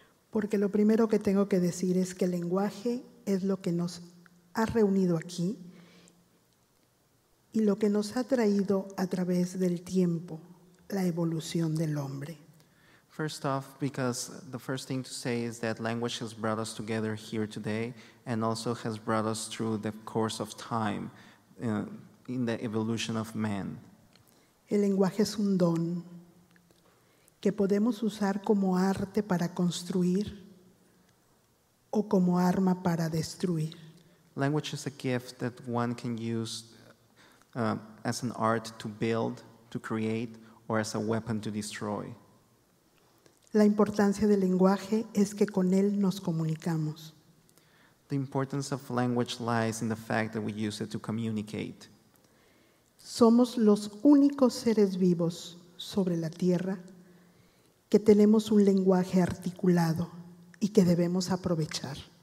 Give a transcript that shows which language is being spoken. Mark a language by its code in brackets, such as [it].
[es] Porque lo primero que tengo que decir es que el lenguaje es lo que nos ha reunido aquí y lo que nos ha traído a través del tiempo la evolución del hombre. [en] First off, because the first thing to say is that language has brought us together here today and also has brought us through the course of time in the evolution of man. [es] El lenguaje es un don que podemos usar como arte para construir o como arma para destruir. [en] Language is a gift that one can use as an art to build, to create, or as a weapon to destroy. [es] La importancia del lenguaje es que con él nos comunicamos. [en] The importance of language lies in the fact that we use it to communicate. [es] Somos los únicos seres vivos sobre la Tierra que tenemos un lenguaje articulado y que debemos aprovechar.